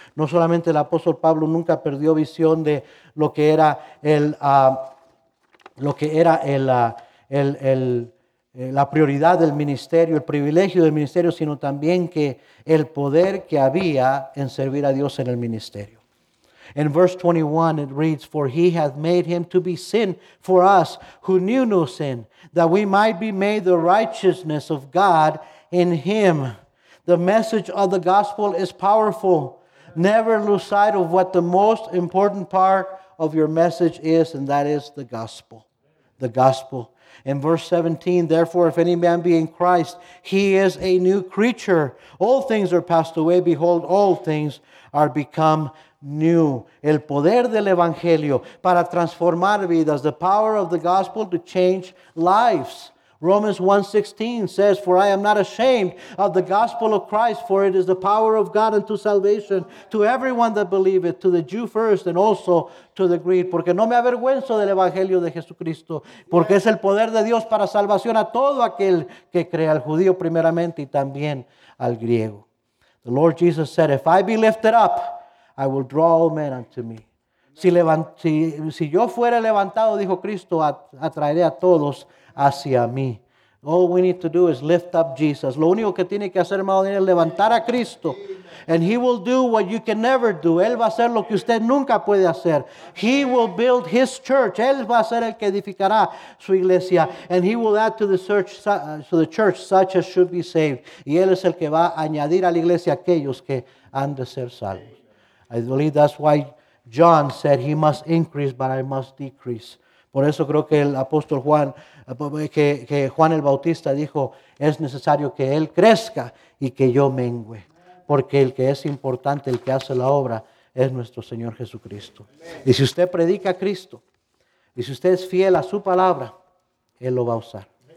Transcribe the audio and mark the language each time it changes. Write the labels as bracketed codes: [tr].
[es] No solamente el apóstol Pablo nunca perdió visión de lo que era la prioridad del ministerio, el privilegio del ministerio, sino también que el poder que había en servir a Dios en el ministerio. [en] In verse 21, it reads, "For he hath made him to be sin for us who knew no sin, that we might be made the righteousness of God in him." The message of the gospel is powerful. Never lose sight of what the most important part of your message is, and that is the gospel. The gospel. In verse 17, "Therefore, if any man be in Christ, he is a new creature. All things are passed away. Behold, all things are become new." [es] El poder del evangelio para transformar vidas. [en] The power of the gospel to change lives. Romans 1:16 says, "For I am not ashamed of the gospel of Christ, for it is the power of God unto salvation to everyone that believeth, to the Jew first and also to the Greek." [es] Porque no me avergüenzo del evangelio de Jesucristo, porque es el poder de Dios para salvación a todo aquel que crea, al judío primeramente y también al griego. [en] The Lord Jesus said, "If I be lifted up, I will draw all men unto me." [es] Si yo fuera levantado, dijo Cristo, atraeré a todos hacia mí. [en] All we need to do is lift up Jesus. [es] Lo único que tiene que hacer, hermano, es levantar a Cristo. [en] And he will do what you can never do. [es] Él va a hacer lo que usted nunca puede hacer. [en] He will build his church. [es] Él va a ser el que edificará su iglesia. [en] And he will add to the church such as should be saved. [es] Y él es el que va a añadir a la iglesia aquellos que han de ser salvos. [en] I believe that's why John said he must increase, but I must decrease. [es] Por eso creo que el apóstol Juan, que Juan el Bautista dijo, es necesario que él crezca y que yo mengüe. Porque el que es importante, el que hace la obra, es nuestro Señor Jesucristo. Y si usted predica a Cristo, y si usted es fiel a su palabra, él lo va a usar.